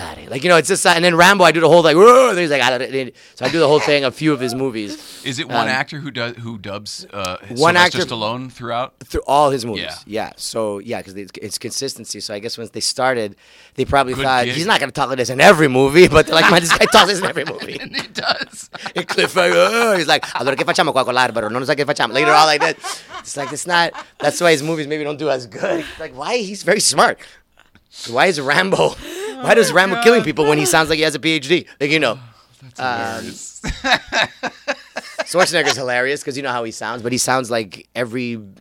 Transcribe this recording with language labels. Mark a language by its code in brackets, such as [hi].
[en] Like, you know, it's just, and then Rambo, I do the whole like, and he's like, so I do the whole thing, a few of his movies. Is it one actor who dubs one actor Stallone throughout? Through all his movies. Yeah. Yeah. So, yeah, because it's consistency. So I guess once they started, they probably he's not going to talk like this in every movie, but they're like, man, this guy talks this in every movie. And he does. And Cliffhanger, he's like, [it] allora che facciamo qua con l'arbero? Non so che facciamo. [en] Like, they're all like that. It's like, it's not, that's why his movies maybe don't do as good. Like, why? He's very smart. Why is Rambo? Why does Rambo killing people when he sounds like he has a PhD? Like, you know. That's hilarious. Schwarzenegger's hilarious because you know how he sounds, but he sounds like every